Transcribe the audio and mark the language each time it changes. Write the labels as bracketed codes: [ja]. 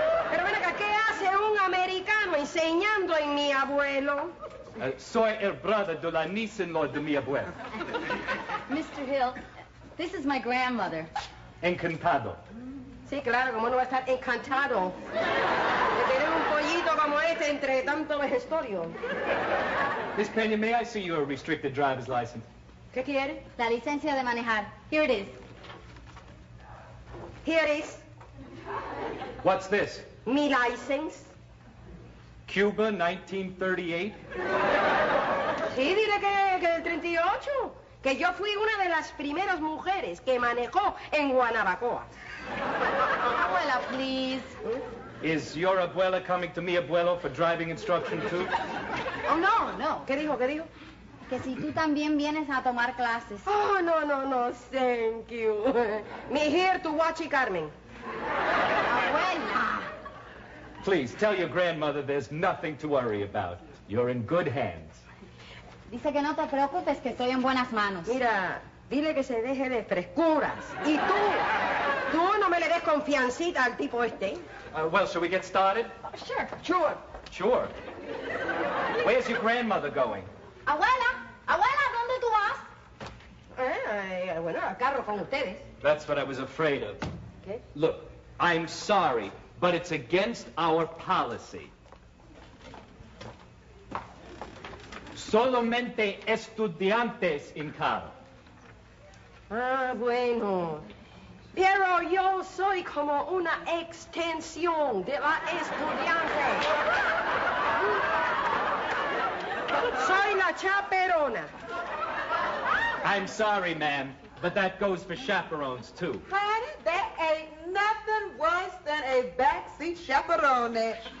[es] Pero ven acá, ¿qué hace un americano enseñando en mi abuelo? Soy el brother de la niña de mi abuelo. [en] Mr. Hill, this is my grandmother. [es] Encantado. Sí, claro, como no va a estar encantado de tener un pollito como este entre tanto vejestorio. [en] Miss Peña, may I see your restricted driver's license? [es] ¿Qué quiere? La licencia de manejar. [en] Here it is. Here it is. What's this? Mi license. [es] Cuba, 1938. Sí, dile que el 38. que yo fui una de las primeras mujeres que manejó en Guanabacoa. [en] Abuela, please. Is your abuela coming to me, abuelo, for driving instruction too? Oh, no, no. [es] ¿Qué dijo, qué dijo? Que si tú también vienes a tomar clases. [en] Oh, no, no, no, thank you. Me here to watch Carmen. [es] Abuela. [en] Please, tell your grandmother there's nothing to worry about. You're in good hands. [es] Dice que no te preocupes, que estoy en buenas manos. Mira, dile que se deje de frescuras. Y tú, tú no me le des confiancita al tipo este. [en] Well, shall we get started? Sure. Where's your grandmother going? [es] Abuela, abuela, ¿dónde tú vas? Bueno, al carro con ustedes. [en] That's what I was afraid of. [es] ¿Qué? [en] Look, I'm sorry, but it's against our policy. [es] Solamente estudiantes en carro. Ah, bueno. Pero yo soy como una extensión de la estudiante. Soy la chaperona. [en] I'm sorry, ma'am, but that goes for chaperones, too. Honey, there ain't nothing worse than a backseat chaperone.